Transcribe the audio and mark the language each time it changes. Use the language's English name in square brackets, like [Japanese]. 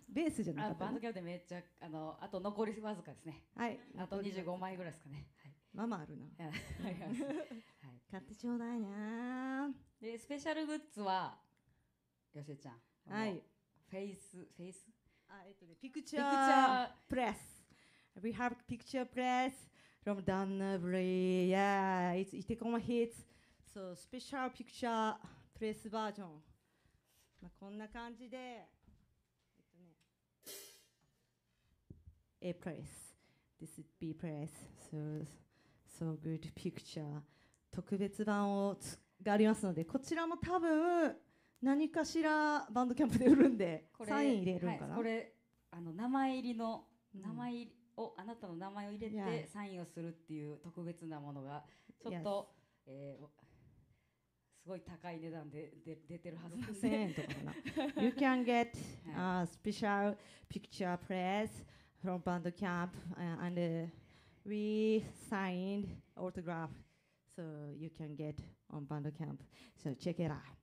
[Japanese] ベースじゃなかったの。あ、バンドキャップでめっちゃ、あの、あと残りわずかですね。はい、あと25枚ぐらいですかね。まあまああるな。ありがとうございます。買ってちょうだいな。でスペシャルグッズはよしえちゃん、はい、フェイス、フェイス、あ、ピクチャープレス。 [English] We have picture press from Danubri. Yeah, it's Itekoma Hits. So special picture press version. [Japanese] まあこんな感じで、A press. [English] This is B press. So so good picture. [Japanese] 特別版をつがありますので、こちらも多分何かしらバンドキャンプで売るんで、サイン入れるんかな。はい、これあの名前入りの名前入り。うんをあなたの名前を入れてサインをするっていう特別なものがちょっと、すごい高い値段 で出てるはずなんで 6000円とかかな。 [English] You can get a special picture press from band camp and we signed autograph so you can get on band camp so check it out。